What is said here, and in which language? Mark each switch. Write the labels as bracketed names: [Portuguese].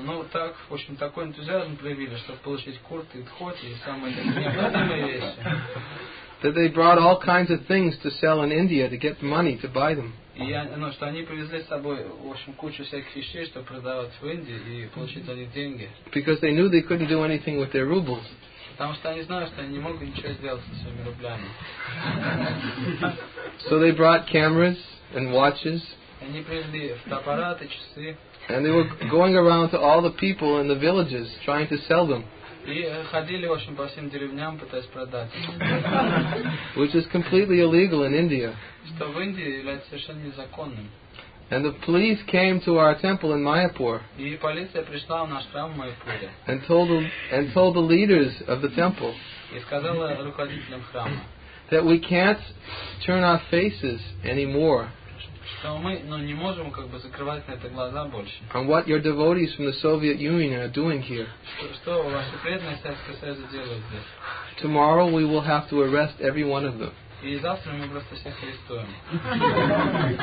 [Russian] Ну так, в общем, такой энтузиазм проявили, чтобы получить курты и дхоти и самые необходимые вещи. [English] That they brought all kinds of things to sell in India to get the money to buy them. [Russian] Что они привезли с собой, в общем, кучу всяких вещей, чтобы продавать в Индии и получить они деньги. [English] Because they knew they couldn't do anything with their rubles. [Russian] Потому что они знают, что они не могут ничего сделать со своими рублями. [English] So they brought cameras and watches. [Russian] Они привезли фотоаппараты, часы. [English] And they were going around to all the people in the villages trying to sell them. [Russian] И ходили, в общем, по всем деревням, пытаясь продать. [English] Which is completely illegal in India. [Russian] Что в Индии является совершенно незаконным. [English] And the police came to our temple in Mayapur. [Russian] И полиция пришла в наш храм в Майяпуре. [English] And told the leaders of the temple. [Russian] И сказала руководителям храма. [English] That we can't turn our faces anymore. [Russian] Что мы, ну, не можем как бы закрывать на это глаза больше. [English] And what your devotees from the Soviet Union are doing here. [Russian] Что ваши преданные Советского Союза делают здесь? [English] Tomorrow we will have to arrest every one of them. [Russian] И завтра мы просто всех арестуем.